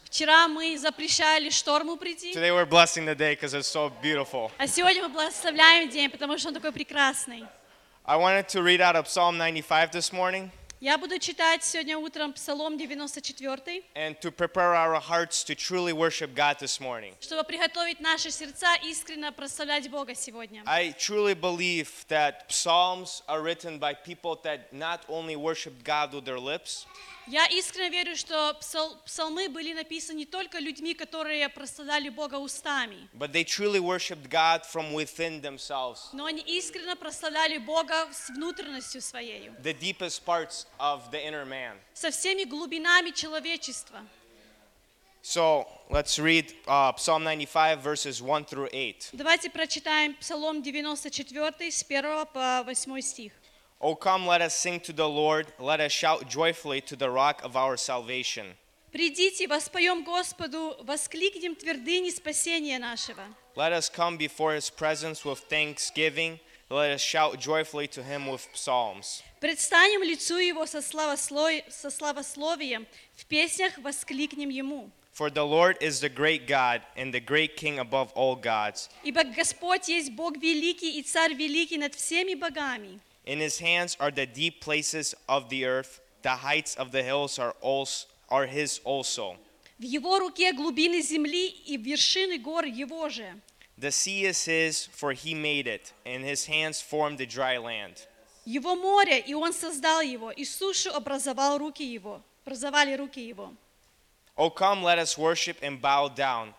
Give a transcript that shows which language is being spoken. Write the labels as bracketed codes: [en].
[ru] Вчера мы запрещали шторму прийти. [en] Today we're blessing the day because it's so beautiful. [ru] А сегодня мы благословляем день, потому что он такой прекрасный. [en] I wanted to read out of Psalm 95 this morning. [ru] Я буду читать сегодня утром Псалом 94. [en] And to prepare our hearts to truly worship God this morning. [ru] Чтобы приготовить наши сердца искренне прославлять Бога сегодня. [en] I truly believe that psalms are written by people that not only worship God with their lips. [ru] Я искренне верю, что псалмы были написаны не только людьми, которые прославляли Бога устами. [en] But they truly worshiped God from within themselves. [ru] Но они искренне прославляли Бога с внутренностью своей. [en] The deepest parts of the inner man. [ru] Со всеми глубинами человечества. [en] So, let's read Psalm 95 verses 1 through 8. [ru] Давайте прочитаем Псалом 94 с 1 по 8 стих. [en] O come, let us sing to the Lord, let us shout joyfully to the rock of our salvation. [ru] Придите, воспоем Господу, воскликнем твердыни спасения нашего. [en] Let us come before His presence with thanksgiving, let us shout joyfully to Him with psalms. [ru] Предстанем лицу Его со славословием, в песнях воскликнем Ему. [en] For the Lord is the great God and the great King above all gods. [ru] Ибо Господь есть Бог великий и Царь великий над всеми богами. [en] In His hands are the deep places of the earth. The heights of the hills are His also. [ru] В Его руке глубины земли и вершины гор Его же. [en] The sea is His, for He made it, and His hands formed the dry land. [ru] Его море, и Он создал его, и сушу образовал руки Его, образовали руки Его. [en] O come, let us worship and bow down.